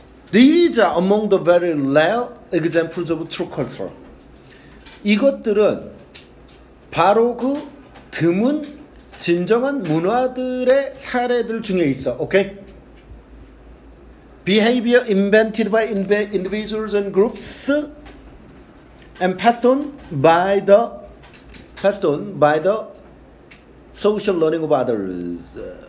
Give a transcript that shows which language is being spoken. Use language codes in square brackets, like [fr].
[en] These are among the very rare examples of true culture. [ko] 이것들은 바로 그 드문 진정한 문화들의 사례들 중에 있어, 오케이? [en] Behavior invented by individuals and groups and passed on by the social learning of others.